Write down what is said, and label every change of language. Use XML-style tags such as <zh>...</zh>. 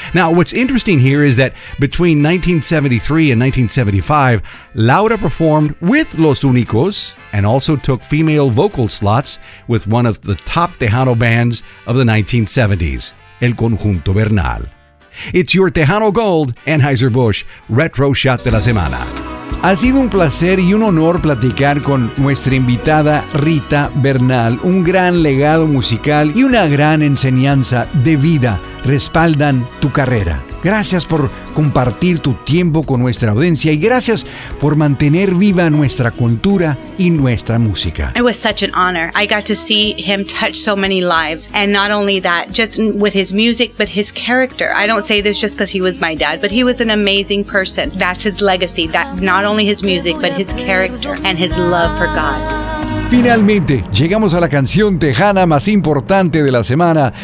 <en>Now, what's interesting here is that between 1973 and 1975, Laura performed with Los Únicos and also took female vocal slots with one of the top Tejano bands of the 1970s, El Conjunto Bernal. It's your Tejano Gold, Anheuser-Busch, Retro Shot de la Semana.</en> <es>Ha sido un placer y un honor platicar con nuestra invitada Rita Bernal. Un gran legado musical y una gran enseñanza de vida respaldan tu carrera. Gracias por compartir tu tiempo con nuestra audiencia y gracias por mantener viva nuestra cultura y nuestra música.</es> <en>It was such an honor. I got to see him touch so many lives. And not only that, just with his music, but his character. I don't say this just because he was my dad, but he was an amazing person. That's his legacy. That not only his music, but his character and his love for God.</en> <es>Finalmente, llegamos a la canción tejana más importante de la semana.</es>